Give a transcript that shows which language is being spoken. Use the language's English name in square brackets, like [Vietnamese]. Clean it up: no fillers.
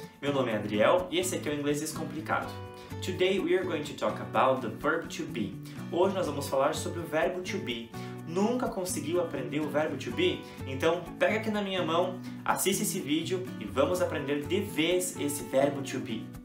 [Portuguese] Meu nome é Adriel e esse aqui é o Inglês Descomplicado. [English] Today we are going to talk about the verb to be. [Portuguese] Hoje nós vamos falar sobre o verbo to be. Nunca conseguiu aprender o verbo to be? Então pega aqui na minha mão, assiste esse vídeo e vamos aprender de vez esse verbo to be.